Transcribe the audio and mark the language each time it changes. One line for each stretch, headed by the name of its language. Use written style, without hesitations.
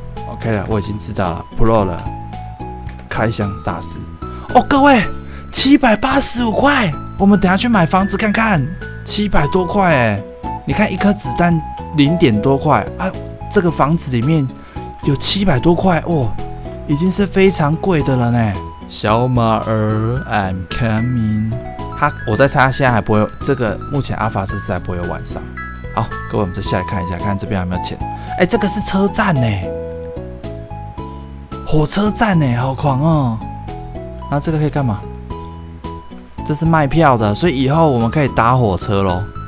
Chinese: OK 了，我已经知道了 ，Pro 了，开箱大师。哦，各位，785块，我们等一下去买房子看看，700多块哎！你看一颗子弹0点多块啊，这个房子里面有700多块哦，已经是非常贵的了呢。小马儿 ，
English: I'm coming。
Chinese: 他，我在猜他现在还不会有这个，目前阿法这次还不会有晚上。好，各位，我们再下来看一下，看看这边有没有钱。哎、欸，这个是车站呢、欸，火车站呢、欸，好狂哦！那这个可以干嘛？这是卖票的，所以以后我们可以搭火车咯。